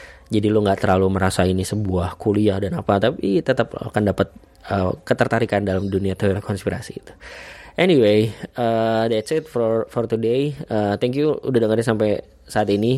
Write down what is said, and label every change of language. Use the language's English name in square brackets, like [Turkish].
[Indonesian] Jadi lu gak terlalu merasa ini sebuah kuliah dan apa, tapi tetap akan dapat ketertarikan dalam dunia teori konspirasi itu. [English] Anyway, that's it for today. Thank you [Indonesian] udah dengerin sampai saat ini.